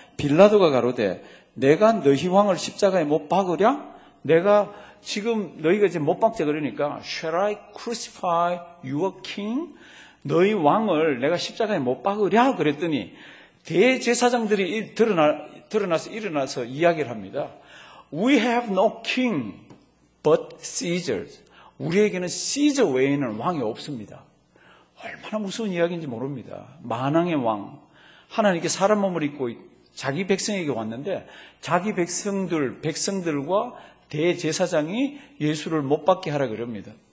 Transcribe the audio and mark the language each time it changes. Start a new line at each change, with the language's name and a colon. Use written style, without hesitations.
Korean: 빌라도가 가로되 내가 너희 왕을 십자가에 못 박으랴? 내가 지금 너희가 이제 못 박자 그러니까
English: Shall I crucify your king?
Korean: 너희 왕을 내가 십자가에 못 박으랴? 그랬더니 대제사장들이 일어나서 이야기를 합니다.
English: We have no king but Caesar.
Korean: 우리에게는 시저 외에는 왕이 없습니다. 얼마나 무서운 이야기인지 모릅니다. 만왕의 왕, 하나님께 사람 몸을 입고 자기 백성에게 왔는데 자기 백성들과 대제사장이 예수를 못 받게 하라 그럽니다.